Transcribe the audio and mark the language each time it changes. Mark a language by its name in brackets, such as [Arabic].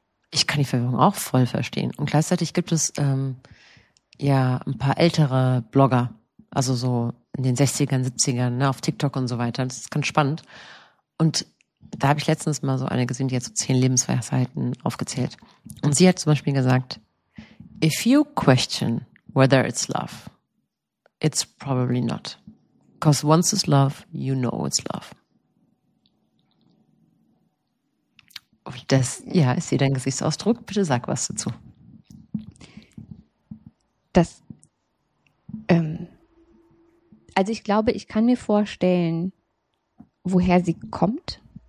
[German] Ich kann die Verwirrung auch voll verstehen. Und gleichzeitig gibt es ein paar ältere Blogger, also so in den 60ern, 70ern, ne, auf TikTok und so weiter. Das ist ganz spannend. Und da habe ich letztens mal so eine gesehen, die hat so 10 Lebensweisheiten aufgezählt. Und sie hat zum Beispiel gesagt, [English] if you question whether it's love, it's probably not. Because once it's love, you know it's love. [German] Und das, ja, ist hier dein Gesichtsausdruck. Bitte sag was dazu. Das, also ich glaube, ich kann mir vorstellen, woher sie kommt.